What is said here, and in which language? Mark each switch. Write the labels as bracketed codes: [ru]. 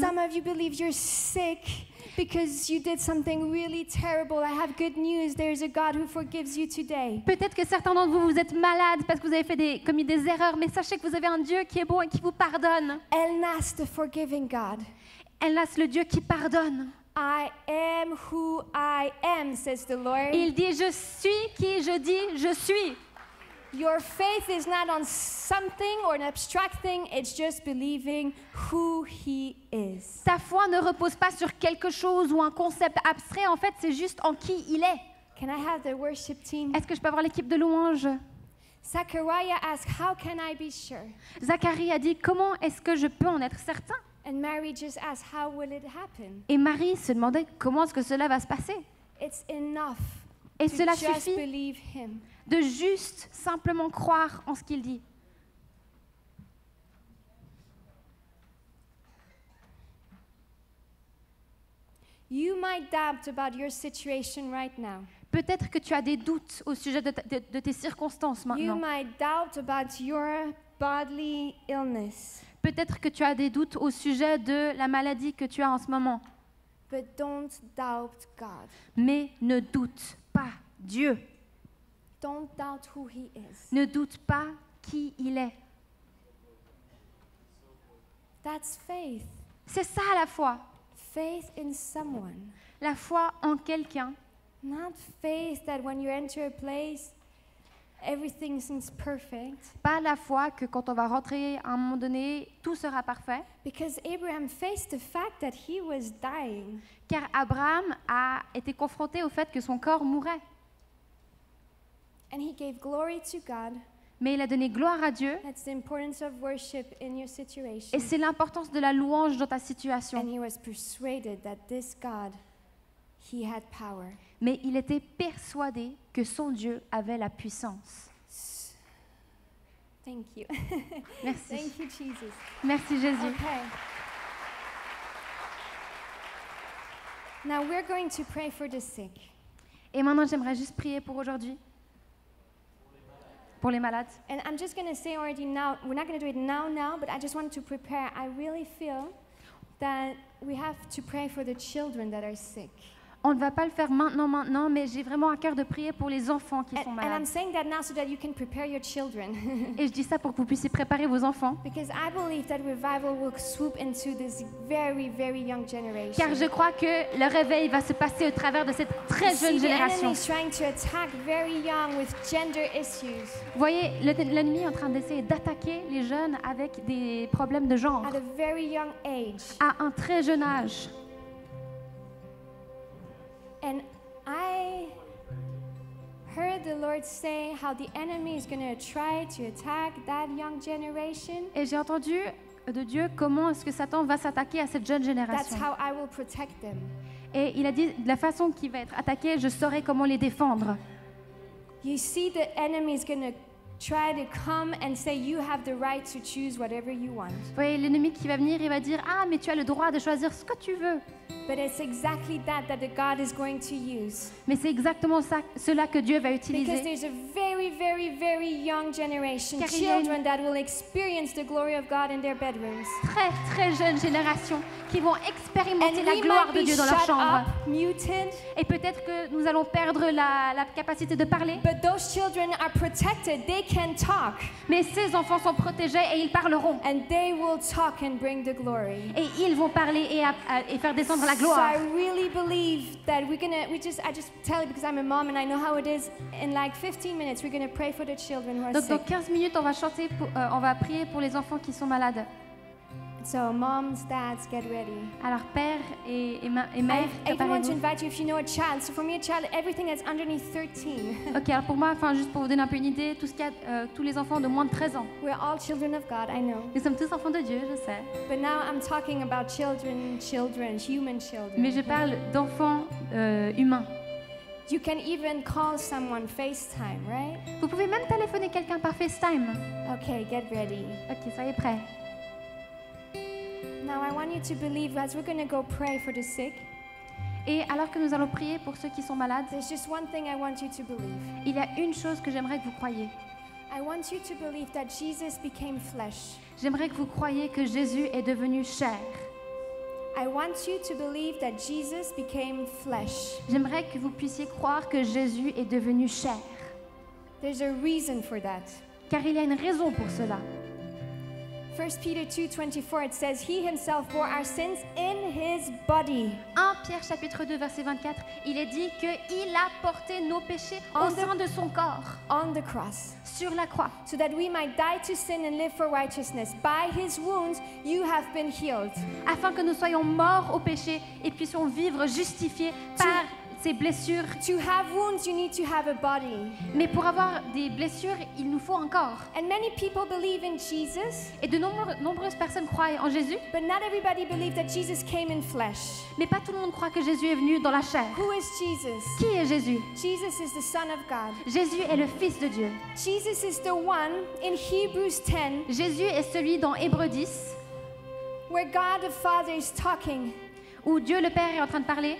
[en] Some of you believe you're sick because you did something really terrible. I have good news. There's a God who forgives you today. [fr] Peut-être que certains d'entre vous êtes malades parce que vous avez commis des erreurs, mais sachez que vous avez un Dieu qui est bon et qui vous pardonne. [en] El Nas, the forgiving God. [fr] El Nas, le Dieu qui pardonne. [en] I am who I am, says the Lord. [fr] Il dit je suis qui je dis je suis. [en] Your faith is not on something or an abstract thing, it's just believing who he is. [fr] Ta foi ne repose pas sur quelque chose ou un concept abstrait, en fait, c'est juste en qui il est. [en] Can I have the worship team? [fr] Est-ce que je peux avoir l'équipe de louange? [en] Zachariah asked, how can I be sure? [fr] Zacharie a dit comment est-ce que je peux en être certain? [en] And Mary just asked, how will it happen? [fr] Et Marie se demandait comment est-ce que cela va se passer? [en] It's enough. [fr] Et [en] to [fr] cela [en] just [fr] suffit. [en] Believe him. [fr] De juste simplement croire en ce qu'il dit. [en] You might doubt about your situation right now. [fr] Peut-être que tu as des doutes au sujet de tes circonstances maintenant. [en] You might doubt about your bodily illness. [fr] Peut-être que tu as des doutes au sujet de la maladie que tu as en ce moment. [en] But don't doubt God. [fr] Mais ne doute pas Dieu. [en] Don't doubt who he is. [fr] Ne doute pas qui il est. [en] That's faith. [fr] C'est ça la foi. [en] Faith in someone. [fr] La foi en quelqu'un. [en] Not faith that when you enter a place, everything seems perfect. [fr] Pas la foi que quand on va rentrer à un moment donné, tout sera parfait. [en] Because Abraham faced the fact that he was dying. [fr] Car Abraham a été confronté au fait que son corps mourait. [en] And he gave glory to God. [fr] mais il a donné gloire à Dieu. [en] That's the importance of worship in your situation. [fr] Et c'est l'importance de la louange dans ta situation. [en] And he was persuaded that this God, he had power. [fr] Mais il était persuadé que son Dieu avait la puissance. [en] Thank you. [fr] Merci. [en] Thank you, Jesus. [fr] Merci Jésus. [en] Okay. Now we're going to pray for the sick. [fr] Et maintenant j'aimerais juste prier pour aujourd'hui. Pour les malades. [en] And I'm just going to say already now, we're not going to do it now, but I just wanted to prepare. I really feel that we have to pray for the children that are sick. [fr] On ne va pas le faire maintenant, mais j'ai vraiment à cœur de prier pour les enfants qui sont malades. [en] And I'm saying that now so that you can prepare your children. [fr] Et je dis ça pour que vous puissiez préparer vos enfants. [en] Because I believe that revival will swoop into this very, very young generation. [fr] Car je crois que le réveil va se passer au travers de cette très jeune génération. [en] The enemy is trying to attack very young with gender issues. [fr] Vous voyez, l'ennemi est en train d'essayer d'attaquer les jeunes avec des problèmes de genre. [en] At a very young age. [fr] À un très jeune âge. [en] And I heard the Lord say how the enemy is going to try to attack that young generation. [fr] Et j'ai entendu de Dieu comment est-ce que Satan va s'attaquer à cette jeune génération. [en] That's how I will protect them. [fr] Et il a dit la façon qu'il va être attaqué, je saurai comment les défendre. [en] You see, the enemy is going to try to come and say you have the right to choose whatever you want. [fr] Vous voyez, l'ennemi qui va venir, il va dire ah mais tu as le droit de choisir ce que tu veux. [en] But it's exactly that the God is going to use. [fr] Mais c'est exactement ça, cela que Dieu va utiliser. [en] Because there's a very, very, very young generation, children that will experience the glory of God in their bedrooms. [fr] Très, très jeune génération qui vont expérimenter la gloire de Dieu dans leur chambre. [en] And we might be shut up, muted. [fr] Et peut-être que nous allons perdre la capacité de parler. [en] But those children are protected. They can talk. [fr] Mais ces enfants sont protégés et ils parleront. [en] And they will talk and bring the glory. [fr] Et ils vont parler et faire descendre. [en] So I really believe that I just tell it because I'm a mom and I know how it is. In like 15 minutes, we're going to pray for the children who are sick. [fr] Donc 15 minutes, on va chanter, on va prier pour les enfants qui sont malades. [en] So moms, dads, get ready. [fr] Alors père et mère, préparez-vous. [en] I even want to invite you if you know a child. So for me, a child, everything that's underneath 13. [fr] Okay, alors pour moi, enfin juste pour vous donner un peu une idée, tout ce qu'il y a, tous les enfants de moins de 13 ans. [en] We're all children of God, I know. [fr] Nous sommes tous enfants de Dieu, je sais. [en] But now I'm talking about children, human children. [fr] Mais je parle d'enfants humains. [en] You can even call someone FaceTime, right? [fr] Vous pouvez même téléphoner quelqu'un par FaceTime. [en] Okay, get ready. [fr] Okay, soyez prêts. [en] Now I want you to believe as we're going to go pray for the sick. [fr] Et alors que nous allons prier pour ceux qui sont malades. [en] There's just one thing I want you to believe. [fr] Il y a une chose que j'aimerais que vous croyiez. [en] I want you to believe that Jesus became flesh. [fr] J'aimerais que vous croyiez que Jésus est devenu chair. [en] I want you to believe that Jesus became flesh. [fr] J'aimerais que vous puissiez croire que Jésus est devenu chair. [en] There's a reason for that. [fr] Car il y a une raison pour cela. [en] 1 Peter 2:24 it says he himself bore our sins in his body. [fr] 1 Pierre chapitre 2 verset 24, il est dit que il a porté nos péchés au sein de son corps. [en] On the cross. [fr] Sur la croix. [en] So that we might die to sin and live for righteousness. By his wounds you have been healed. [fr] Afin que nous soyons morts au péché et puissions vivre justifiés par ses blessures. [en] To have wounds, you need to have a body. [fr] Mais pour avoir des blessures, il nous faut un corps. [en] And many people believe in Jesus. [fr] Et de nombreuses personnes croient en Jésus. [en] But not everybody believes that Jesus came in flesh. [fr] Mais pas tout le monde croit que Jésus est venu dans la chair. [en] Who is Jesus? [fr] Qui est Jésus? [en] Jesus is the Son of God. [fr] Jésus est le Fils de Dieu. [en] Jesus is the one in Hebrews 10. [fr] Jésus est celui dans Hébreux 10. [en] Where God the Father is talking. [fr] Où Dieu le Père est en train de parler.